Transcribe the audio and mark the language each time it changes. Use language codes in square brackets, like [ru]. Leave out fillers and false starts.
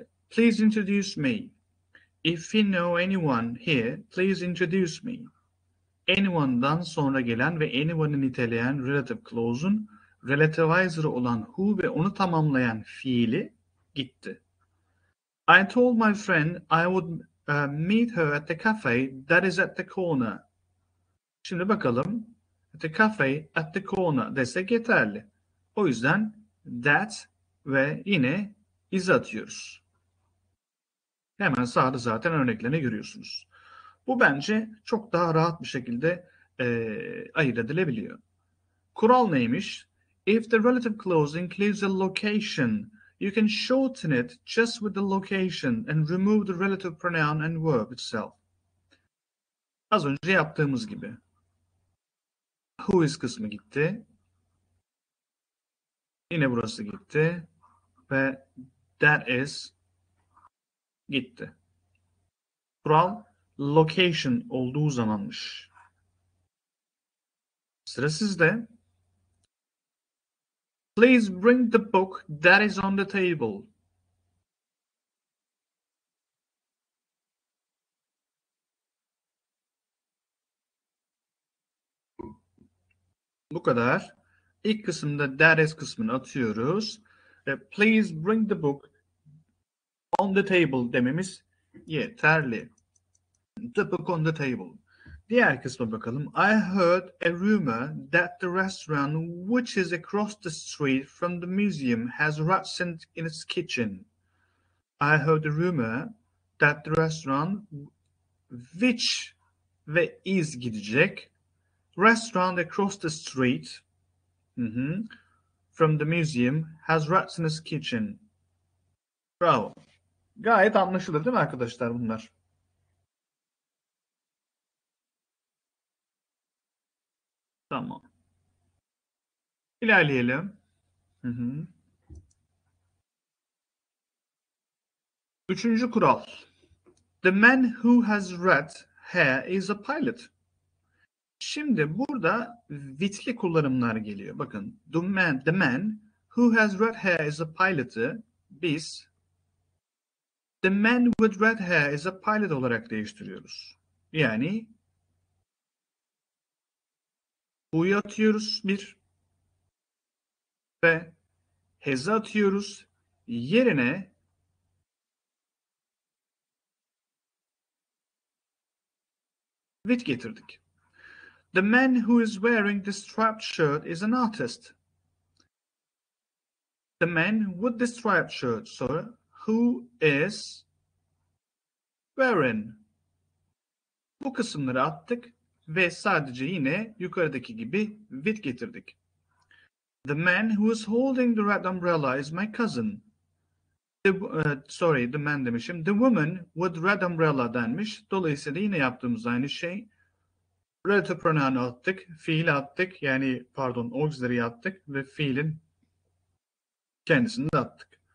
[en] Please introduce me. If you know anyone here, please introduce me. [tr] Anyone'dan sonra gelen ve anyone'ı niteleyen relative clause'un relativizer'ı olan who ve onu tamamlayan fiili gitti. [en] I told my friend I would meet her at the cafe that is at the corner. [tr] Şimdi bakalım. [en] The cafe at the corner [tr] desek yeterli. O yüzden that ve yine is atıyoruz. Hemen sağda zaten örneklerini görüyorsunuz. Bu bence çok daha rahat bir şekilde ayırt edilebiliyor. Kural neymiş? [en] If the relative clause includes a location, you can shorten it just with the location and remove the relative pronoun and verb itself. [tr] Az önce yaptığımız gibi. Who is kısmı gitti. Yine burası gitti. Ve that is gitti. Kural location olduğu zamanmış. Sıra sizde. [en] Please bring the book that is on the table. [tr] Bu kadar. İlk kısımda that is kısmını atıyoruz. [en] Please bring the book on the table [tr] dememiz yeterli. [en] The book on the table. [tr] Diğer kısma bakalım. [en] I heard a rumor that the restaurant which is across the street from the museum has rats in its kitchen. I heard a rumor that the restaurant which ve is gidecek. Restaurant across the street from the museum has rats in its kitchen. [tr] Bravo. Gayet anlaşılır değil mi arkadaşlar bunlar? Tamam. İlerleyelim. Üçüncü kural. [en] The man who has red hair is a pilot. [tr] Şimdi burada with'li kullanımlar geliyor. Bakın, [en] the man who has red hair is a pilot'ı [tr] biz [en] the man with red hair is a pilot [tr] olarak değiştiriyoruz. Yani who'yu atıyoruz bir ve has'ı atıyoruz yerine with getirdik. [en] The man who is wearing the striped shirt is an artist. The man with the striped shirt, so who is wearing? [tr] Bu kısımları attık ve sadece yine yukarıdaki gibi with getirdik. [en] The man who is holding the red umbrella is my cousin. [tr] The man demişim. [en] The woman with red umbrella [tr] denmiş. Dolayısıyla yine yaptığımız aynı şey. Relative pronoun'u attık. Fiili attık. Yani pardon, auxiliary'i attık. Ve fiilin kendisini de attık.